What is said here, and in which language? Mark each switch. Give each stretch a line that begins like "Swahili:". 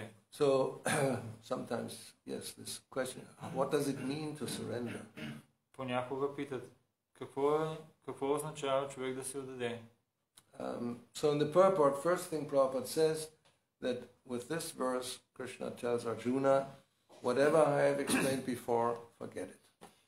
English: So sometimes, yes, this question, what does it mean to surrender?
Bulgarian: Понякога питат, какво означава човек да се отдаде?
English: So in the purport, first thing Prabhupada says that with this verse, Krishna tells Arjuna, whatever I have explained before, forget it.